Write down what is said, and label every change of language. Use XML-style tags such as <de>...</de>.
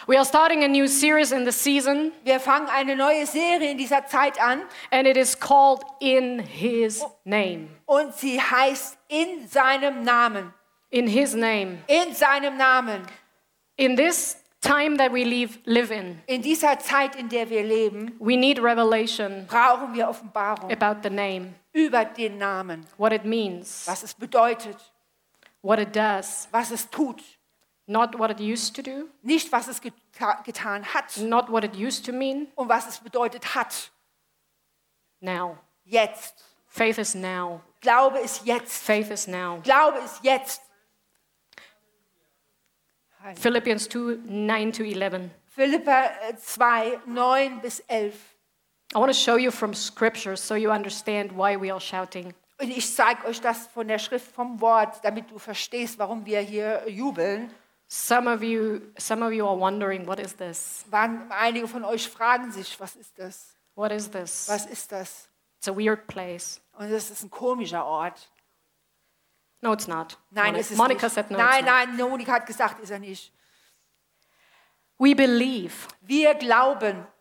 <en>We are starting a new series in the season.</en> <de>Wir fangen eine neue Serie in dieser Zeit an.</de> <en>And it is called In His Name.</en> <de>Und sie heißt In seinem Namen.</de> <en>In His Name.</en> <de>In seinem Namen.</de> <en>In this time that we live in.</en> <de>In dieser Zeit, in der wir leben,</de> <en>we need revelation.</en> <de>Brauchen wir Offenbarung</de> <en>about the name.</en> <de>Über den Namen.</de> <en>What it means.</en> <de>Was es bedeutet.</de> <en>What it does.</en> <de>Was es tut.</de> <en>Not what it used to do.</en> <de>Nicht was es getan hat.</de> <en>Not what it used to mean.</en> <de>Und was es bedeutet hat.</de> <en>Now.</en> <de>Jetzt.</de> <en>Faith is now.</en> <de>Glaube ist jetzt.</de> <en>Faith is now.</en> <de>Glaube ist jetzt.</de> <en>Philippians 2, 9 to 11.</en> <de>Philippa 2, 9 bis 11.</de> <en>I want to show you from scripture so you understand why we are shouting.</en> <de>Und ich zeige euch das von der Schrift, vom Wort, damit du verstehst, warum wir hier jubeln.</de> <en>Some of you are wondering, what is this?</en> <de>Einige von euch fragen sich, was ist das?</de> <en>What is this?</en> <de>Was ist das?</de> <en>It's a weird place.</en> <de>Und das ist ein komischer Ort.</de> <en>No, it's not.</en> <de>Nein, es ist Monica nicht.</de> <en>Said no,</en> <de>nein,</de> <en>it's not.</en> <de>Nein, Monika hat gesagt, ist er nicht.</de> <en>We believe.</en> <de>Wir glauben,</de>